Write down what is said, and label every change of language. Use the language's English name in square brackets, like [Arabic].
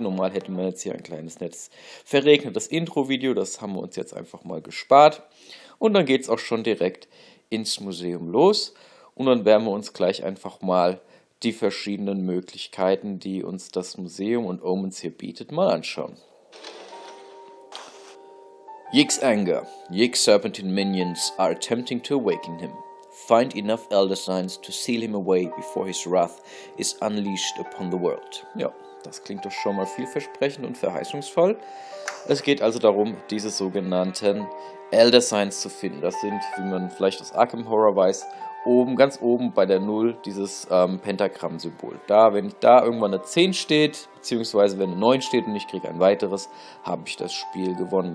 [German] Normal hätte man jetzt hier ein kleines nettes verregnetes Intro-Video. Das haben wir uns jetzt einfach mal gespart. Und dann geht es auch schon direkt ins Museum los. Und dann werden wir uns gleich einfach mal die verschiedenen Möglichkeiten, die uns das Museum und Omens hier bietet, mal anschauen. [English] Yig's anger. Yig's serpentine minions are attempting to awaken him. Find enough Elder Signs to seal him away before his wrath is unleashed upon the world. [German] Ja, das klingt doch schon mal vielversprechend und verheißungsvoll. Es geht also darum, diese sogenannten Elder Signs zu finden. Das sind, wie man vielleicht aus Arkham Horror weiß, oben, ganz oben bei der 0 dieses Pentagramm-Symbol. Da, wenn da irgendwann eine 10 steht, beziehungsweise wenn eine 9 steht und ich kriege ein weiteres, habe ich das Spiel gewonnen.